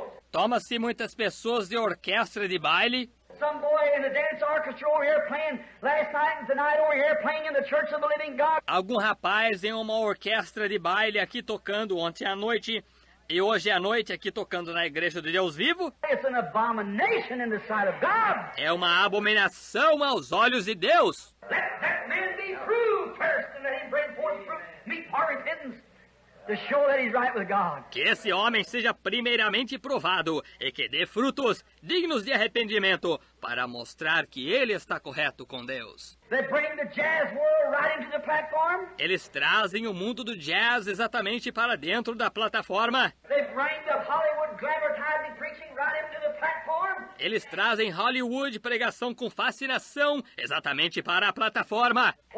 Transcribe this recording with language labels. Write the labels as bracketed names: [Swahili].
[Portuguese] Toma-se muitas pessoas de orquestra de baile. [English] Some boy in the dance orchestra over here playing last night and tonight over here playing in the church of the living God. [Portuguese] Algum rapaz em uma orquestra de baile aqui tocando ontem à noite e hoje à noite aqui tocando na igreja de Deus vivo. [English] It's an abomination in the sight of God. [Portuguese] É uma abominação aos olhos de Deus. [English] Let that man be proved first and let him bring forth fruit, meet our repentance. to show that he's right with God. [Portuguese] Que esse homem seja primeiramente provado e que dê frutos dignos de arrependimento para mostrar que ele está correto com Deus. [English] They bring the jazz world right into the platform. [Portuguese] Eles trazem o mundo do jazz exatamente para dentro da plataforma. [English] They bring the Hollywood glamorizing preaching right into the platform. [Portuguese] Eles trazem Hollywood pregação com fascinação exatamente para a plataforma.